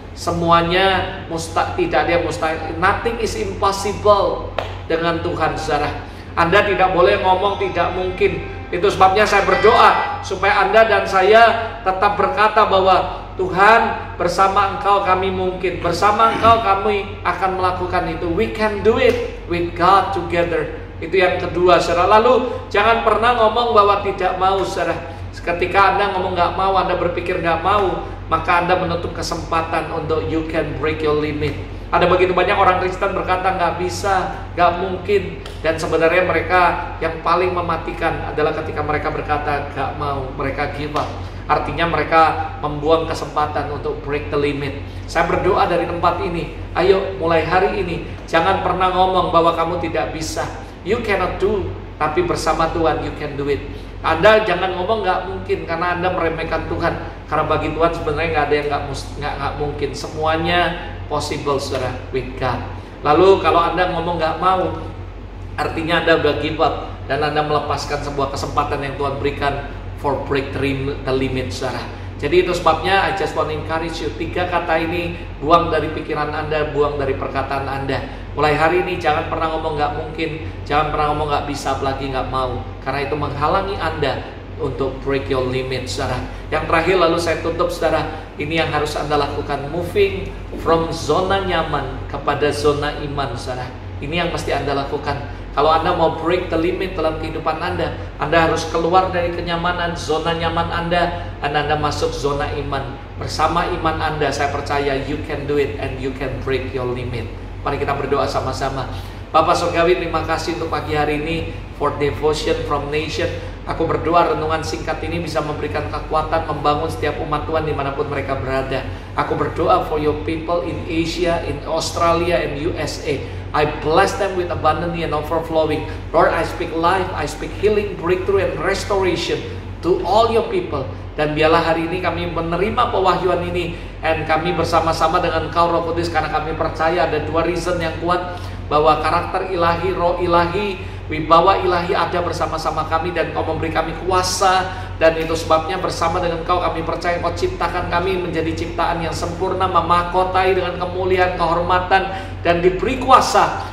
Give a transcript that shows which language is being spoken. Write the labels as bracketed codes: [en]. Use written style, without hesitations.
[id] Semuanya tidak ada yang mustahil. [en] Nothing is impossible [id] dengan Tuhan, saudara. Anda tidak boleh ngomong tidak mungkin. Itu sebabnya saya berdoa supaya Anda dan saya tetap berkata bahwa Tuhan, bersama Engkau kami mungkin, bersama Engkau kami akan melakukan itu. [en] We can do it with God together. [id] Itu yang kedua, saudara. Lalu jangan pernah ngomong bahwa tidak mau, saudara. Ketika Anda ngomong gak mau, Anda berpikir gak mau, maka Anda menutup kesempatan untuk [en] you can break your limit. [id] Ada begitu banyak orang Kristen berkata gak bisa, gak mungkin. Dan sebenarnya mereka yang paling mematikan adalah ketika mereka berkata gak mau, mereka give up. Artinya mereka membuang kesempatan untuk [en] break the limit. [id] Saya berdoa dari tempat ini, ayo mulai hari ini, jangan pernah ngomong bahwa kamu tidak bisa. [en] You cannot do, [id] tapi bersama Tuhan [en] you can do it. [id] Anda jangan ngomong gak mungkin karena Anda meremehkan Tuhan. Karena bagi Tuhan sebenarnya gak ada yang gak mungkin. Semuanya possible, saudara, [en] with God. [id] Lalu kalau Anda ngomong gak mau, artinya Anda udah give up dan Anda melepaskan sebuah kesempatan yang Tuhan berikan [en] for break the limit, [id] saudara. Jadi itu sebabnya [en] I just want to encourage you. [id] 3 kata ini buang dari pikiran Anda, buang dari perkataan Anda. Mulai hari ini jangan pernah ngomong gak mungkin, jangan pernah ngomong gak bisa, apalagi gak mau. Karena itu menghalangi Anda untuk [en] break your limit, [id] saudara. Yang terakhir lalu saya tutup, saudara. Ini yang harus Anda lakukan, moving from zona nyaman kepada zona iman, saudara. Ini yang mesti Anda lakukan. Kalau Anda mau [en] break the limit [id] dalam kehidupan Anda, Anda harus keluar dari kenyamanan, zona nyaman Anda, dan Anda masuk zona iman. Bersama iman Anda, saya percaya [en] you can do it and you can break your limit. [id] Mari kita berdoa sama-sama. Bapa Surgawi, terima kasih untuk pagi hari ini [en] for devotion from nation. [id] Aku berdoa renungan singkat ini bisa memberikan kekuatan, membangun setiap umat Tuhan dimanapun mereka berada. Aku berdoa [en] for your people in Asia, in Australia, and USA. I bless them with abundance and overflowing. Lord, I speak life, I speak healing, breakthrough, and restoration to all your people. [id] Dan biarlah hari ini kami menerima pewahyuan ini, and kami bersama-sama dengan Kau, Roh Kudus, karena kami percaya ada 2 reason yang kuat, bahwa karakter ilahi, roh ilahi, wibawa ilahi ada bersama-sama kami, dan Kau memberi kami kuasa. Dan itu sebabnya bersama dengan Kau kami percaya Kau ciptakan kami menjadi ciptaan yang sempurna, memahkotai dengan kemuliaan, kehormatan, dan diberi kuasa.